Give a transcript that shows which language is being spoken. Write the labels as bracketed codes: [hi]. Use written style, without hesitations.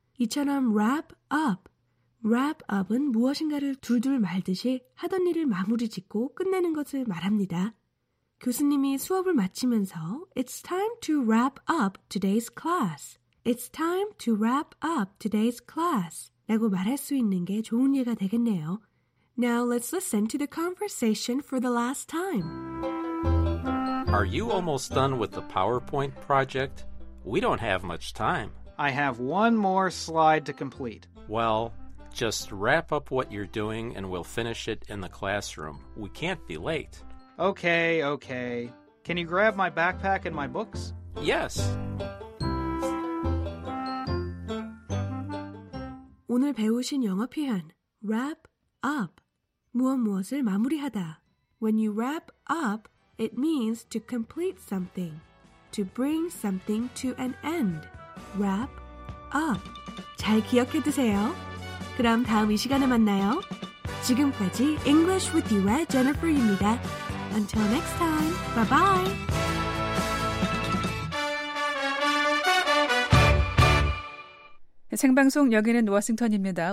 [ko] 이처럼 wrap up, wrap up은 무엇인가를 둘둘 말듯이 하던 일을 마무리 짓고 끝내는 것을 말합니다. 교수님이 수업을 마치면서 [en] It's time to wrap up today's class. It's time to wrap up today's class. [ko] 라고 말할 수 있는 게 좋은 예가 되겠네요. [en] Now let's listen to the conversation for the last time. Are you almost done with the PowerPoint project? We don't have much time. I have one more slide to complete. Well, just wrap up what you're doing and we'll finish it in the classroom. We can't be late. Okay, okay. Can you grab my backpack and my books? Yes. [ko] 오늘 배우신 영어 표현, wrap up. 무엇무엇을 마무리하다. [en] When you wrap up, it means to complete something, to bring something to an end. Wrap up. [ko] 잘 기억해 두세요. 그럼 다음 이 시간에 만나요. 지금까지 English with you의 Jennifer입니다. [en] Until next time, bye-bye. [ko] Sengbangsung, 여기는 워싱턴입니다.